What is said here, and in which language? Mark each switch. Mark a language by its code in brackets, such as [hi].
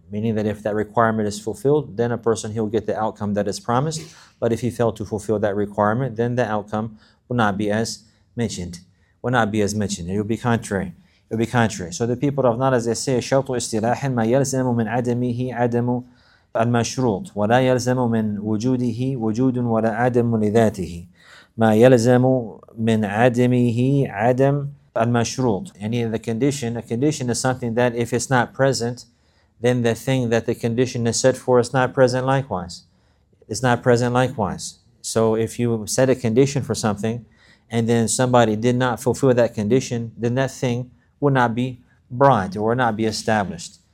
[en] Meaning that if that requirement is fulfilled, then a person, he'll get the outcome that is promised. But if he failed to fulfill that requirement, then the outcome will not be as mentioned. It will be contrary. So the people of Nara, as they say, [ar] شَرْطُ إِسْتِلَاحٍ مَا يَلْزَمُ مِنْ عَدَمِهِ عَدَمُ الْمَشْرُوطِ وَلَا يَلْزَمُ مِنْ وُجُودِهِ وُجُودٌ وَلَا عَدَمُ لِذَاتِهِ مَا يَلْزَمُ مِنْ عَدَمِهِ عَدَمُ الْمَشْرُوطِ. [en] And in the condition, a condition is something that if it's not present, then the thing that the condition is set for is not present likewise. It's not present likewise. So if you set a condition for something, and then somebody did not fulfill that condition, then that thing will not be brought, or will not be established.